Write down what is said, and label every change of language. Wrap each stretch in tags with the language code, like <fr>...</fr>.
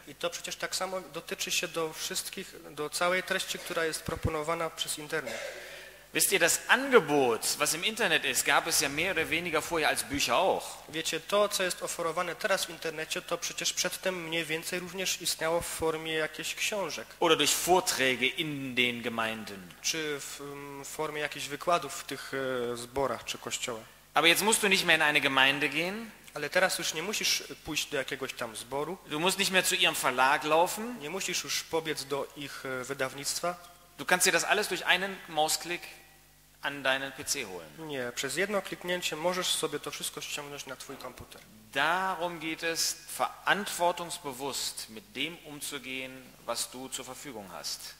<pl>I to przecież tak samo dotyczy się do wszystkich, do całej treści, która jest proponowana przez Internet.</pl> <de>Wisst ihr, das Angebot, was im Internet ist, gab es ja mehr oder weniger vorher als Bücher auch.</de> <pl>Wiecie, to, co jest oferowane teraz w internecie, to przecież przedtem mniej więcej również istniało w formie jakichś książek.</pl> <de>Oder durch Vorträge in den Gemeinden.</de> <pl>Czy w formie jakichś wykładów w tych zborach czy kościołach.</pl> <de>Aber jetzt musst du nicht mehr in eine Gemeinde gehen.</de> <pl>Ale teraz już nie musisz pójść do jakiegoś tam zboru.</pl> <de>Du musst nicht mehr zu ihrem Verlag laufen.</de> <pl>Nie musisz już pobiec do ich wydawnictwa.</pl> <de>Du kannst dir das alles durch einen Mausklick an deinen PC holen.</de> <pl>Nie, przez jedno kliknięcie możesz sobie to wszystko ściągnąć na twój komputer.</pl> <de>Darum geht es, verantwortungsbewusst mit dem umzugehen, was du zur Verfügung hast.</de>